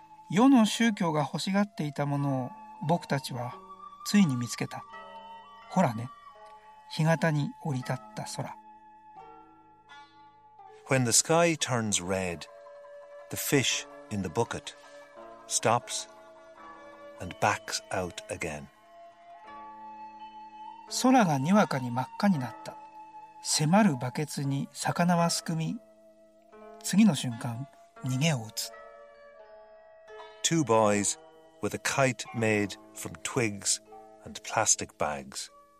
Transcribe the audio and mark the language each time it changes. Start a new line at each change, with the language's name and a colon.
Japanese: 世の宗教が欲しがっていたものを僕たちはついに見つけた。ほらね、日潟に降り立った空。
English: When the sky turns red, the fish in the bucket stops and backs out again.
Japanese: 空がにわかに真っ赤になった。迫るバケツに魚はすくみ、次の瞬間、逃げを打つ。
English: Two boys with a kite made from twigs and plastic bags.